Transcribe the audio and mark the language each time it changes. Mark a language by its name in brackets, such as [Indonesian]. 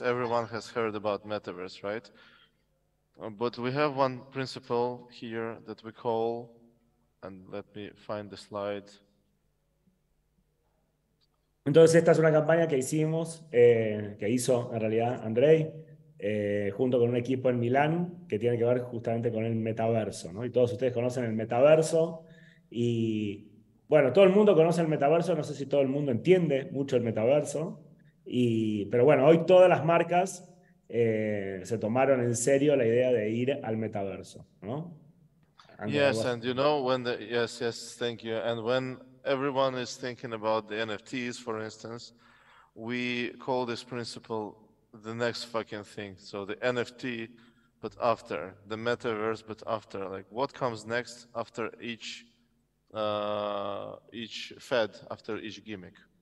[English] Everyone has heard about metaverse, right? But we have one principle here that we call, and let me find the slide. [Spanish] Entonces esta es una campaña que hicimos, que hizo en realidad Andrei, junto con un equipo en Milán, que tiene que ver justamente con el metaverso, ¿no? Y todos ustedes conocen el metaverso, y bueno, todo el mundo conoce el metaverso, no sé si todo el mundo entiende mucho el metaverso, pero bueno, hoy todas las marcas se tomaron en serio la idea de ir al metaverso, ¿no? [English] Yes, and you know when the yes, thank you. And when everyone is thinking about the NFTs, for instance, we call this principle the next fucking thing. So the NFT, but after the metaverse, but after, like, what comes next after each fad, after each gimmick?